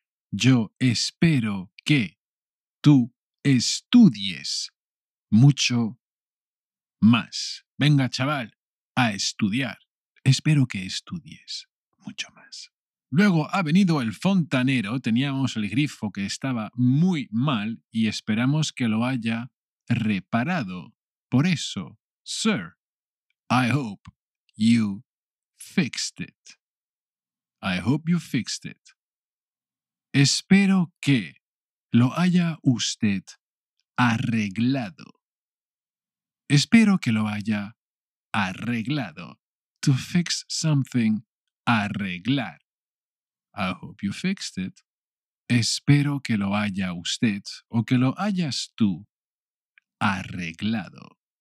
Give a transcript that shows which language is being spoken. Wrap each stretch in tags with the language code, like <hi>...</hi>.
<es>Yo espero que tú estudies mucho más. Venga, chaval, a estudiar. Espero que estudies mucho más. Luego ha venido el fontanero. Teníamos el grifo que estaba muy mal y esperamos que lo haya reparado. Por eso,</es> <en>sir, I hope you fixed it. I hope you fixed it.</en> <es>Espero que lo haya usted arreglado. Espero que lo haya arreglado.</es> <en>To fix something, arreglar. I hope you fixed it.</en> <es>Espero que lo haya usted o que lo hayas tú arreglado.</es>